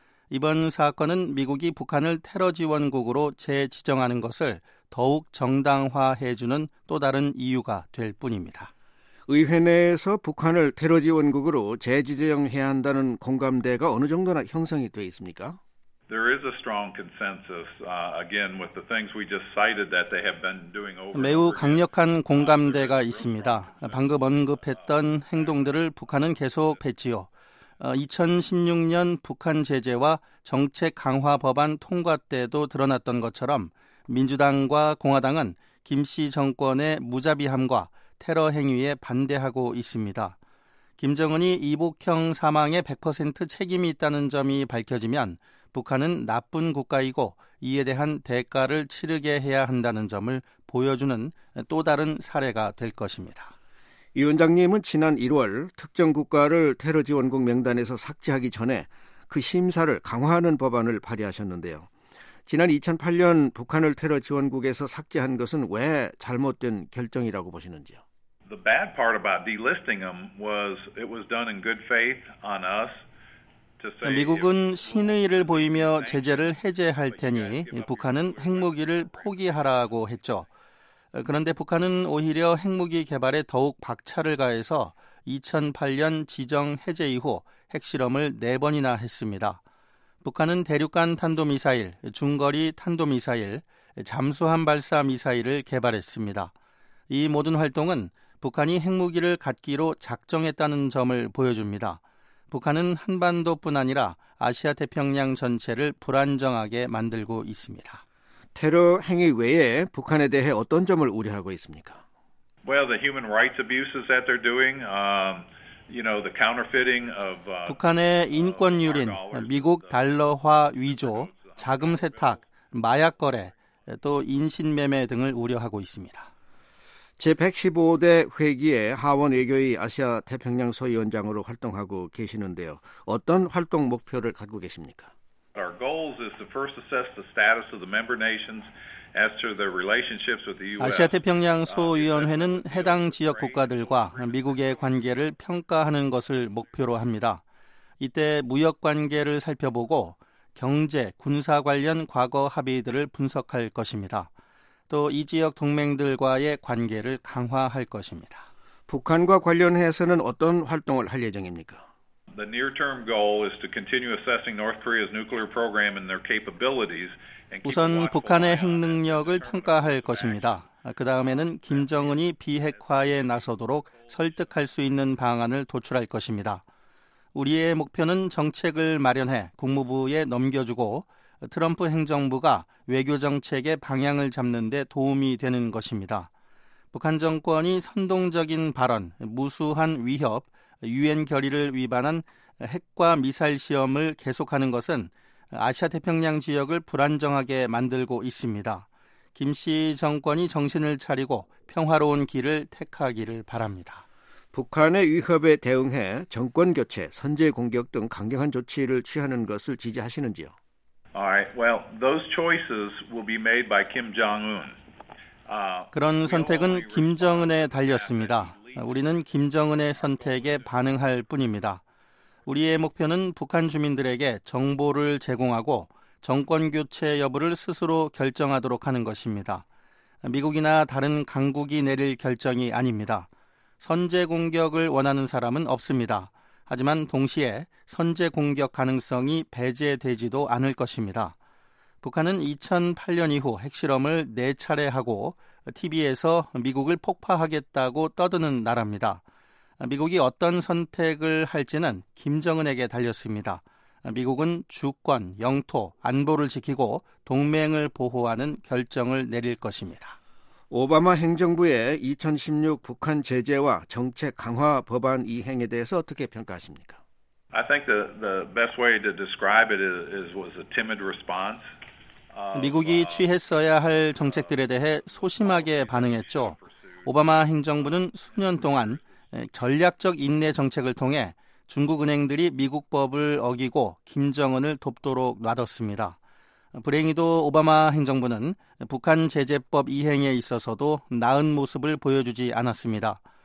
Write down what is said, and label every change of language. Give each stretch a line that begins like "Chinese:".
Korean: 이번 사건은 미국이 북한을 테러 지원국으로 재지정하는 것을 더욱 정당화해주는 또 다른 이유가 될 뿐입니다. 의회 내에서 북한을 테러 지원국으로 재지정해야 한다는 공감대가 어느 정도나 형성이 되어 있습니까?
English: There is a strong consensus again with the things we just cited that they have been doing over.
Korean: 매우 강력한 공감대가 있습니다. 방금 언급했던 행동들을 북한은 계속 했지요. 2016년 북한 제재와 정책 강화 법안 통과 때도 드러났던 것처럼 민주당과 공화당은 김 씨 정권의 무자비함과 테러 행위에 반대하고 있습니다. 김정은이 이복형 사망에 100% 책임이 있다는 점이 밝혀지면 북한은 나쁜 국가이고 이에 대한 대가를 치르게 해야 한다는 점을 보여주는 또 다른 사례가 될 것입니다. 위원장님은 지난 1월 특정 국가를 테러 지원국 명단에서 삭제하기 전에 그 심사를 강화하는 법안을 발의하셨는데요. 지난 2008년 북한을 테러 지원국에서 삭제한 것은 왜 잘못된 결정이라고 보시는지요?
English: The bad part about delisting them was it was done in good faith on us.
Korean: 미국은 신의를 보이며 제재를 해제할 테니 북한은 핵무기를 포기하라고 했죠. 그런데 북한은 오히려 핵무기 개발에 더욱 박차를 가해서 2008년 지정 해제 이후 핵실험을 4번이나 했습니다. 북한은 대륙간 탄도미사일, 중거리 탄도미사일, 잠수함 발사 미사일을 개발했습니다. 이 모든 활동은 북한이 핵무기를 갖기로 작정했다는 점을 보여줍니다. 북한은 한반도뿐 아니라 아시아 태평양 전체를 불안정하게 만들고 있습니다. 테러 행위 외에 북한에 대해 어떤 점을 우려하고 있습니까?
English: Well, the human rights abuses that they're doing, you know, the counterfeiting of
Korean: 북한의 인권 유린, 미국 달러화 위조, 자금 세탁, 마약 거래, 또 인신 매매 등을 우려하고 있습니다. 제115대 회기에 하원 외교위 아시아태평양 소위원장으로 활동하고 계시는데요. 어떤 활동 목표를 갖고 계십니까?
English: Our goal is to first assess the status of the member nations as to their relationships with the U.S.
Korean: 아시아태평양 소위원회는 해당 지역 국가들과 미국의 관계를 평가하는 것을 목표로 합니다. 이때 무역 관계를 살펴보고 경제, 군사 관련 과거 합의들을 분석할 것입니다. 또 이 지역 동맹들과의 관계를 강화할 것입니다. 북한과 관련해서는 어떤 활동을 할 예정입니까?
English: The near-term goal is to continue assessing North Korea's nuclear program and their capabilities.
Korean: 우선 북한의 핵 능력을 평가할 것입니다. 그 다음에는 김정은이 비핵화에 나서도록 설득할 수 있는 방안을 도출할 것입니다. 우리의 목표는 정책을 마련해 국무부에 넘겨주고 트럼프 행정부가 외교 정책의 방향을 잡는 데 도움이 되는 것입니다. 북한 정권이 선동적인 발언, 무수한 위협, 유엔 결의를 위반한 핵과 미사일 시험을 계속하는 것은 아시아 태평양 지역을 불안정하게 만들고 있습니다. 김 씨 정권이 정신을 차리고 평화로운 길을 택하기를 바랍니다. 북한의 위협에 대응해 정권 교체, 선제 공격 등 강경한 조치를 취하는 것을 지지하시는지요?
English: All right. Well, those choices will be made by Kim Jong-un.
Korean: 그런 선택은 김정은에 달렸습니다. 우리는 김정은의 선택에 반응할 뿐입니다. 우리의 목표는 북한 주민들에게 정보를 제공하고 정권 교체 여부를 스스로 결정하도록 하는 것입니다. 미국이나 다른 강국이 내릴 결정이 아닙니다. 선제 공격을 원하는 사람은 없습니다. 하지만 동시에 선제 공격 가능성이 배제되지도 않을 것입니다. 북한은 2008년 이후 핵실험을 4차례 하고 TV에서 미국을 폭파하겠다고 떠드는 나라입니다. 미국이 어떤 선택을 할지는 김정은에게 달렸습니다. 미국은 주권, 영토, 안보를 지키고 동맹을 보호하는 결정을 내릴 것입니다. 오바마 행정부의 2016 북한 제재와 정책 강화 법안 이행에 대해서 어떻게 평가하십니까?
English: I think the best way to describe it was a timid response.
Korean: 미국이 취했어야 할 정책들에 대해 소심하게 반응했죠. 오바마 행정부는 수년 동안 전략적 인내 정책을 통해 중국 은행들이 미국 법을 어기고 김정은을 돕도록 놔뒀습니다. 불행히도 오바마 행정부는 북한 제재법 이행에 있어서도 나은 모습을 보여주지 않았습니다.